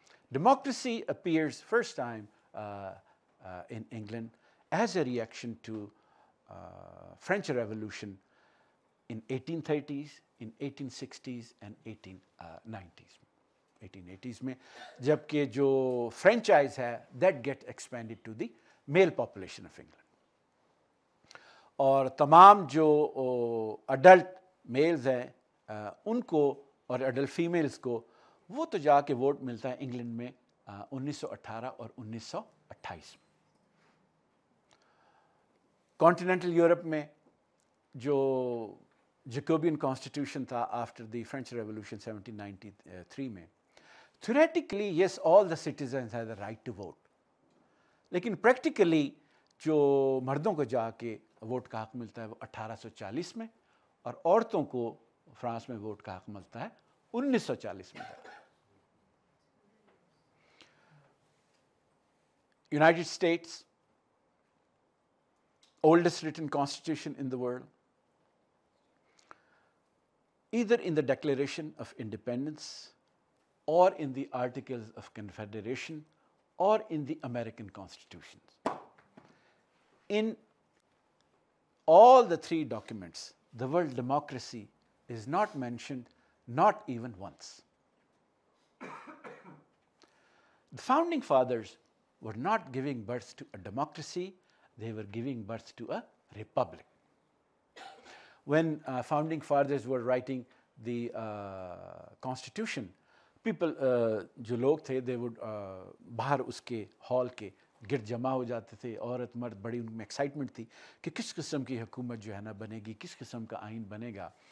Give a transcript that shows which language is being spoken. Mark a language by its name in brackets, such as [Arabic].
[English] Democracy appears first time in England as a reaction to French Revolution in 1830s, in 1860s and 1880s [Urdu] mein, jabki jo franchise hai [English] that get expanded to the male population of England, [Urdu] اور تمام جو adult meals ہیں ان کو اور adult females کو، وہ تو جا کے ووٹ ملتا ہے انگلینڈ میں 1918 اور 1928. کانٹیننٹل یورپ میں جو جیکوبین کانسٹیٹیوشن تھا [English] after the French revolution [Urdu] 1793 میں، [English] theoretically yes all the citizens has a right to vote, [Urdu] لیکن پریکٹیکلی جو مردوں کو جا کے ووٹ کا حق ملتا ہے وہ 1840 میں، اور عورتوں کو فرانس میں ووٹ کا حق ملتا ہے 1940 میں. [English] United states, oldest written constitution in the world, either in the declaration of independence اور in the articles of confederation or in the American constitutions. In all the three documents, the word democracy is not mentioned, not even once. The founding fathers were not giving birth to a democracy, they were giving birth to a republic. When founding fathers were writing the constitution, people [Urdu] جو لوگ تھے، [English] they would [Urdu] باہر اس کے hall کے گرد جمع ہو جاتے تھے, عورت مرد بڑی ان میں ایکسائٹمنٹ تھی کہ کس قسم کی حکومت جو ہے نا بنے گی, کس قسم کا آئین بنے گا.